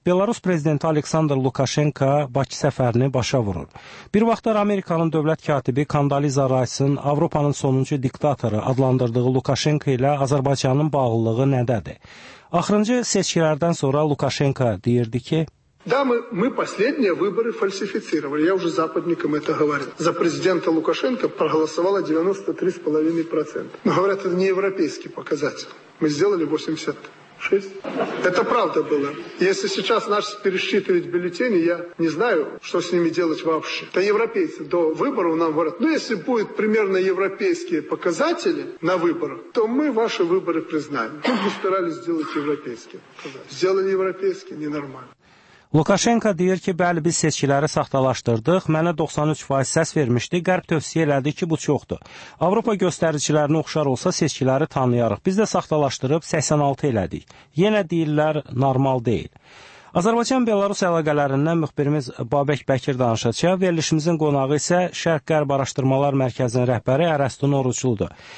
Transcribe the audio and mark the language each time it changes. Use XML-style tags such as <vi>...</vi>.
<az>Belarus prezidenti Aleksandr Lukaşenko Bakı səfərini başa vurur. Bir vaxtlar Amerikanın dövlət katibi Kandaliza Raysın Avropanın sonuncu diktatoru adlandırdığı Lukaşenko ilə Azərbaycanın bağlılığı nədədir? Axırıncı seçkilərdən sonra Lukaşenko deyirdi ki,</az> <ru>Да, мы последние выборы фальсифицировали. Я уже западникам это говорил. За президента Лукашенко проголосовало 93,5%. Но говорят, это не европейский показатель. Мы сделали 86%. Это правда было. Если сейчас наш пересчитывать бюллетени, я не знаю, что с ними делать вообще. Это европейцы до выборов нам говорят. Ну, если будет примерно европейские показатели на выборах, то мы ваши выборы признаем. Мы постарались сделать европейские показатели. Сделали европейские, ненормально.</ru> <az>Lukaşenko deyir ki, bəli, biz seçkiləri saxtalaşdırdıq, mənə 93% səs vermişdi, qərb tövsiyə elədi ki, bu çoxdur. Avropa göstəricilərinə oxşar olsa seçkiləri tanıyarıq, biz də saxtalaşdırıb 86 elədik. Yenə deyirlər, normal deyil. Azərbaycan-Belarus əlaqələrindən müxbirimiz Babək Bəkir danışacaq, verilişimizin qonağı isə Şərq-Qərb Araşdırmalar Mərkəzinin rəhbəri Ərəstun Orucludur.</az>